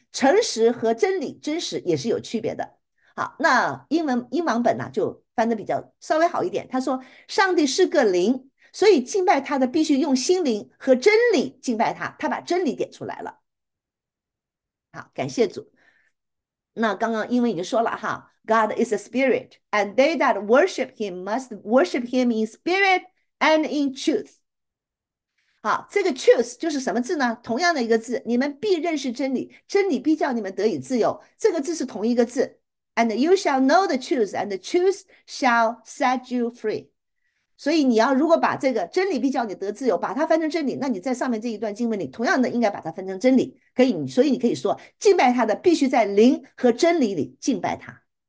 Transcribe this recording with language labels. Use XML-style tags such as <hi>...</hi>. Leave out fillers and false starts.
<zh>诚实和真理，真实也是有区别的。好，那英王本呢，就翻得比较稍微好一点，他说上帝是个灵。所以敬拜他的必须用心灵和真理敬拜他，他把真理点出来了。好，感谢主。那刚刚因为已经说了哈，</zh> <en>God is a spirit, and they that worship him must worship him in spirit and in truth。</en> <zh>好，这个 truth 就是什么字呢？同样的一个字，你们必认识真理，真理必叫你们得以自由。这个字是同一个字，</zh> <en>and you shall know the truth, and the truth shall set you free。</en> <zh>所以你要如果把这个真理必叫你得自由，把它翻成真理，那你在上面这一段经文里，同样的应该把它翻成真理，可以。所以你可以说，敬拜他的必须在灵和真理里敬拜他。</zh>